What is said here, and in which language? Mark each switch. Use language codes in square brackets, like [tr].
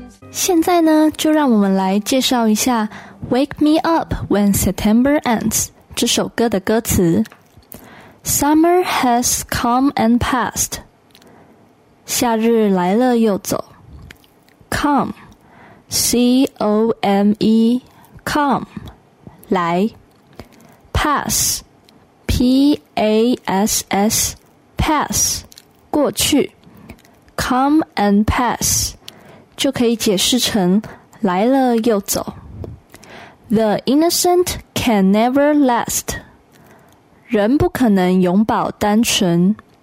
[zh] 现在呢，就让我们来介绍一下 Wake Me Up When September Ends 这首歌的歌词。 [en] Summer has come and passed， [zh] 夏日来了又走。 [en] Come， C-O-M-E， Come， [zh] 来。 [en] Pass， P-A-S-S， Pass， [zh] 过去。 [en] Come and pass [zh] 就可以解释成来了又走。 [en] The innocent can never last， [zh] 人不可能永保单纯。